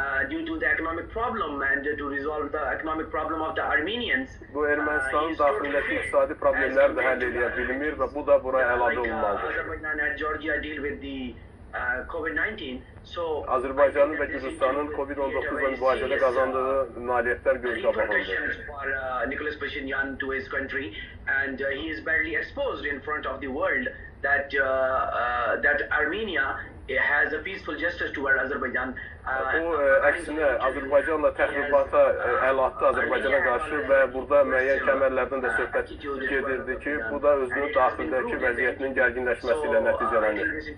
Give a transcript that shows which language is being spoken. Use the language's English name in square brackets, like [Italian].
[English] Due to the economic problem and to resolve the economic problem of the Armenians. [Azerbaijani] Bu Ermenistan'ın daxilindeki iqtisadi problemler de həll edə bilmir və bu da bura əlavə olunmalıdır. [English] Azerbaijan and Georgia deal with the COVID-19. So [Azerbaijani] Azərbaycanın və Gürcüstanın COVID-19-la mübarizədə qazandığı nailiyyətlər göz qabağındadır. [English] Nicolas Pashinyan to his country and he is barely exposed in front of the world that that Armenia has a peaceful gesture toward Azerbaijan. [Azerbaijani] Əksinə Azərbaycanla təxribata əl atdı Azərbaycana qarşı və burada müəyyən kəmərlərdən də söhbət gedirdi ki, bu da özünün daxilindəki vəziyyətinin gərginləşməsi ilə nəticələnir.